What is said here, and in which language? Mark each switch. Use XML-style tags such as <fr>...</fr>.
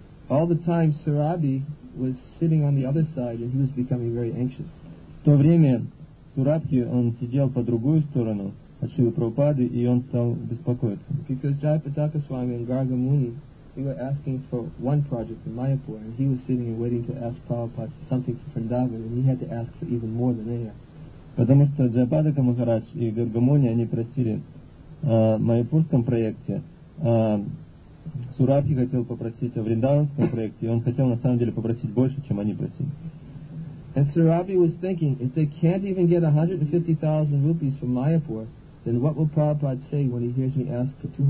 <en>All the time Surabhi was sitting on the other side and he was becoming very anxious.</en> <ru>В то время Сурабхи, он сидел по другую сторону от Шрилы Прабхупады, и он стал беспокоиться.</ru> <en>Because Jayapataka Swami and Garga Muni, they were asking for one project in Mayapur, and he was sitting and waiting to ask Prabhupada for something for Vrindavan, and he had to ask for even more than they asked.</en> <ru>Потому что Джайападака Махарадж и Гарга Муни, они просили в майяпурском проекте, Сурабхи хотел попросить о вриндаванском проекте, и он хотел на самом деле попросить больше, чем они просили.</ru> <en>And Surabhi was thinking, if they can't even get 150,000 rupees from Mayapur, then what will Prabhupada say when he hears me ask for</en>